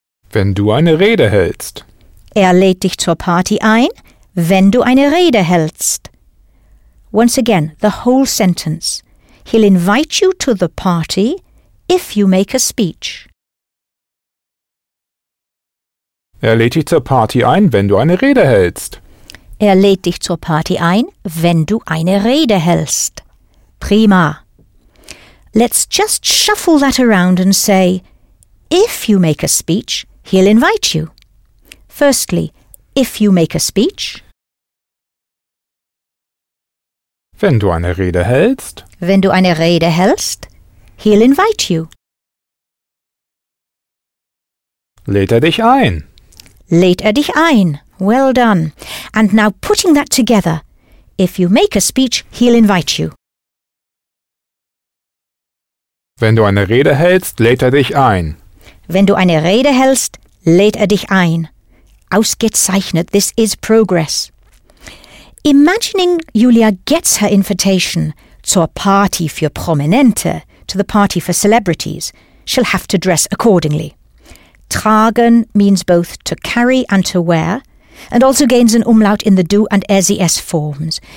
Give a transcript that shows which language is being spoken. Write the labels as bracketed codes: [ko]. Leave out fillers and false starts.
[de] Wenn du eine Rede hältst. Lädt dich zur Party ein, wenn du eine Rede hältst. [en] Once again, the whole sentence. He'll invite you to the party if you make a speech. [de] Lädt dich zur Party ein, wenn du eine Rede hältst. Lädt dich zur Party ein, wenn du eine Rede hältst. Prima. [en] Let's just shuffle that around and say, if you make a speech, he'll invite you. Firstly, if you make a speech. [de] Wenn du eine Rede hältst. Wenn du eine Rede hältst, [en] he'll invite you. [de] Lädt dich ein. Lädt dich ein. [en] Well done. And now putting that together. If you make a speech, he'll invite you. [de] Wenn du eine Rede hältst, lädt dich ein. Wenn du eine Rede hältst, lädt dich ein. Ausgezeichnet. [en] This is progress. Imagining Julia gets her invitation [de] zur Party für Prominente, [en] to the party for celebrities, she'll have to dress accordingly. Tragen means both to carry and to wear, and also gains an umlaut in the du and RZS forms.